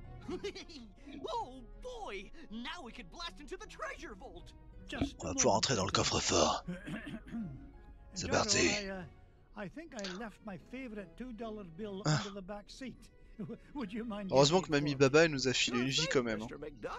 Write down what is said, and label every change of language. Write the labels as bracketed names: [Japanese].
[English] Oh boy, now we could blast into the treasure vault. [French] On va pouvoir entrer dans le coffre-fort. C'est parti. [English] I think I left my favorite $2 bill under the back seat. [French] Heureusement que Mamie Baba elle nous a filé une vie quand même, hein.